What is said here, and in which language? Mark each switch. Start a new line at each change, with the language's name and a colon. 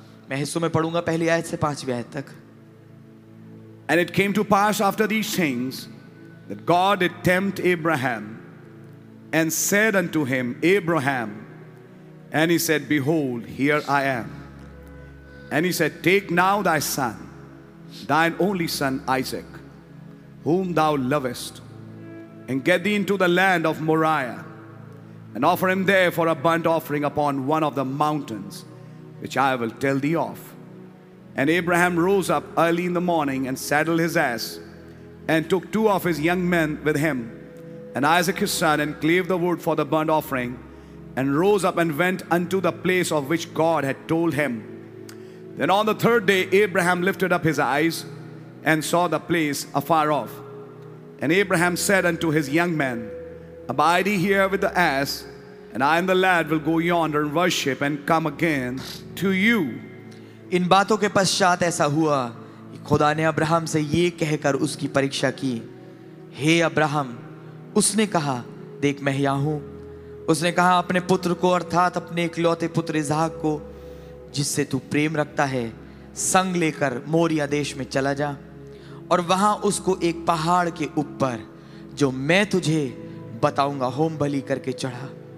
Hindi: मैं हिस्सों में पढ़ूंगा, पहली आयत से पांचवी आयत तक.
English: And it came to pass after these things that God did tempt Abraham and said unto him, Abraham. And he said, Behold, here I am. And he said, Take now thy son, thine only son Isaac, whom thou lovest, and get thee into the land of Moriah, and offer him there for a burnt offering upon one of the mountains, which I will tell thee of. And Abraham rose up early in the morning and saddled his ass, and took two of his young men with him, and Isaac his son, and clave the wood for the burnt offering, and rose up and went unto the place of which God had told him. Then on the third day Abraham lifted up his eyes and saw the place afar off. And Abraham said unto his young men, Abide ye here with the ass, and I and the lad will go yonder and worship and come again to you.
Hindi: इन बातों के पश्चात ऐसा हुआ कि खुदा ने Abraham से ये कहकर उसकी परीक्षा की, हे अब्राहम, उसने कहा, देख मैं यहाँ हूँ। उसने कहा, अपने पुत्र को अर्थात अपने इकलौते पुत्र इसहाक को, जिससे तू प्रेम रखता है, संग लेकर मोरिया देश में चला जा, और वहाँ उसको एक पहाड़ के ऊपर, जो मैं तुझे बताऊँगा, होम बलि करके चढ़ा।